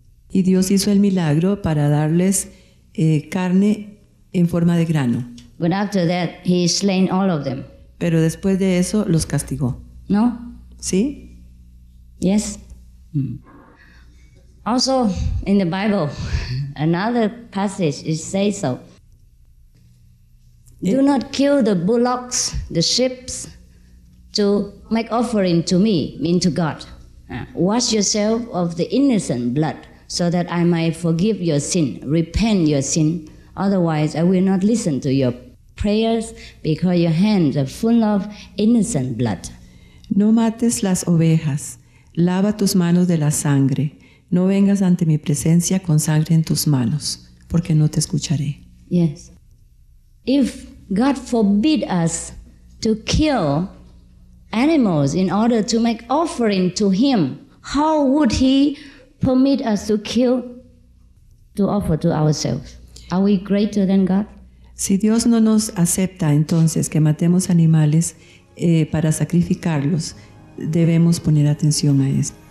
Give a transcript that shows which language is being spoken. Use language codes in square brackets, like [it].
[es] Y Dios hizo el milagro para darles carne en forma de grano. [en] But after that, he slain all of them. [es] Pero después de eso, los castigó. No? Sí? [en] Yes. Also, in the Bible, another passage, it says so. Do not kill the bullocks, the sheep, to make offering to me, mean to God. Wash yourself of the innocent blood, so that I might forgive your sin, repent your sin. Otherwise, I will not listen to your prayers because your hands are full of innocent blood. [es] No mates las ovejas. Lava tus manos de la sangre. No vengas ante mi presencia con sangre en tus manos, porque no te escucharé. [en] Yes. If God forbid us to kill animals in order to make offering to him, how would he permit us to kill, to offer to ourselves? Are we greater than God? [es] Si Dios no nos acepta entonces que matemos animales para sacrificarlos, debemos poner atención a esto.